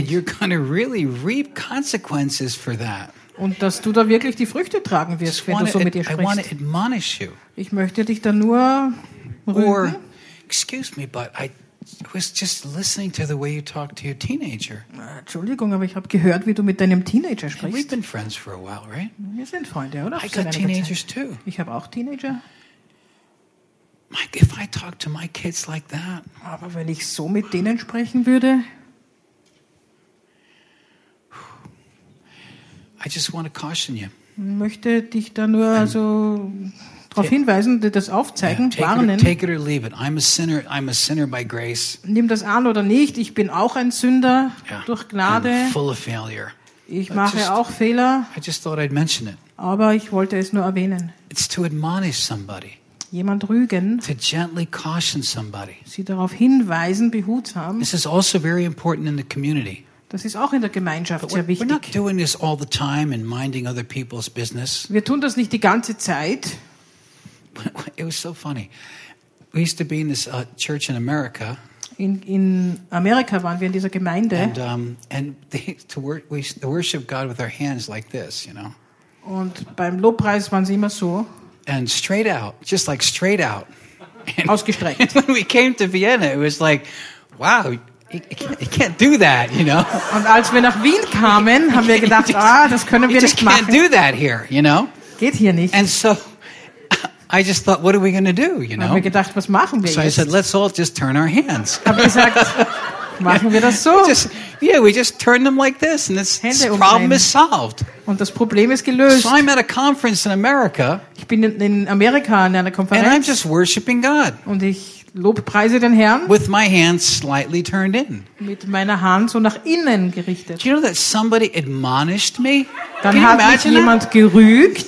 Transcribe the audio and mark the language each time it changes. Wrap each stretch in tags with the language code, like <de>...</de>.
<en>And you're going to really reap consequences for that.</en> <de>Und dass du da wirklich die Früchte tragen wirst, wenn du so mit ihr sprichst.</de> <en>I want to admonish you.</en> <de>Ich möchte dich da nur rügen.</de> <en>Or, excuse me, but I was just listening to the way you talk to your teenager.</en> <de>Entschuldigung, aber ich habe gehört, wie du mit deinem Teenager sprichst.</de> <en>We've been friends for a while, right?</en> <de>Wir sind Freunde, oder?</de> <en>I got teenagers too.</en> <de>Ich habe auch Teenager.</de> <en>Mike, if I talk to my kids like that.</en> <de>Aber wenn ich so mit denen sprechen würde.</de> <en>I just want to caution you.</en> <de>Möchte dich da nur also darauf hinweisen, das aufzeigen, warnen.</de> <en>Take it or leave it. I'm a sinner by grace.</en> <de>Nimm das an oder nicht. Ich bin auch ein Sünder durch Gnade.</de> <en>I'm full of failure.</en> <de>Ich mache auch Fehler.</de> <en>I just thought I'd mention it.</en> <de>Aber ich wollte es nur erwähnen.</de> <en>It's to admonish somebody.</en> <de>Jemand rügen.</de> <en>To gently caution somebody.</en> <de>Sie darauf hinweisen, behutsam.</de> <en>This is also very important in the community.</en> <de>Das ist auch in der Gemeinschaft sehr wichtig.</de> <en>We're not doing this all the time and minding other people's business.</en> <de>Wir tun das nicht die ganze Zeit.</de> <en>It was so funny. We used to be in this church in America.</en> <de>In Amerika waren wir in dieser Gemeinde.</de> <en>And to worship God with our hands like this, you know.</en> <de>Und beim Lobpreis waren sie immer so.</de> <en>And straight out, just like straight out.</en> <de>And ausgestreckt.</de> <en>And when we came to Vienna, it was like, wow, you can't do that, you know.</en> <de>Und als wir nach Wien kamen, haben wir gedacht, das können wir nicht machen.</de> <en>You can't do that here, you know.</en> <de>Geht hier nicht.</de> <en>And so I just thought, what are we going to do, you know?</en> <de>Haben wir gedacht, was machen wir</de> <en>so</en> <de>jetzt?</de> <en>I said, let's all just turn our hands.</en> <de>Haben gesagt, machen wir das so.</de> <en>We just turn them like this and this problem is solved.</en> <de>Und das Problem ist gelöst.</de> <en>So I'm at a conference in America.</en> <de>Ich bin in Amerika in einer Konferenz.</de> <en>And I'm just worshiping God.</en> <de>Und ich lobpreise den Herrn.</de> <en>With my hands slightly turned in.</en> <de>Mit meiner Hand so nach innen gerichtet.</de> <en>Do you know that somebody admonished me?</en> <de>Dann hat mich jemand gerügt.</de>